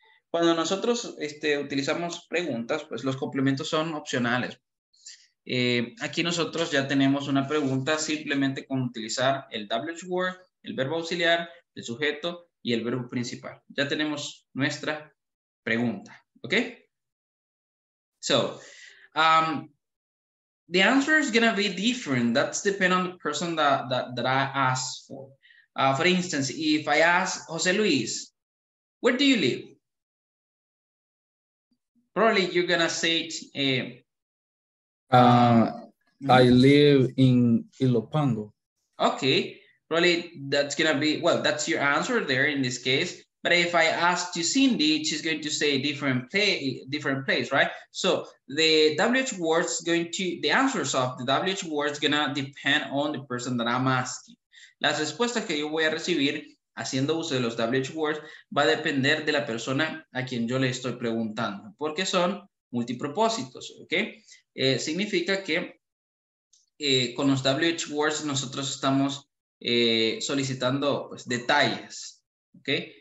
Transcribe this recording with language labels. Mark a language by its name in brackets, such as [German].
[Spanish] Cuando nosotros utilizamos preguntas, pues los complementos son opcionales. Aquí nosotros ya tenemos una pregunta simplemente con utilizar el WH word, el verbo auxiliar, el sujeto y el verbo principal. Ya tenemos nuestra pregunta, ¿ok? [English] So, the answer is going to be different. That's depend on the person that I ask for. For instance, if I ask Jose Luis, where do you live? Probably you're going to say, I live in Ilopango. Okay, probably that's going to be, well, that's your answer there in this case. But if I ask to Cindy, she's going to say different place, right? So the WH word is going to, the answers of the WH word is going to depend on the person that I'm asking. [Spanish] Las respuestas que yo voy a recibir haciendo uso de los WH words va a depender de la persona a quien yo le estoy preguntando, porque son multipropósitos, ¿ok? Significa que con los WH words nosotros estamos solicitando pues, detalles, ¿ok?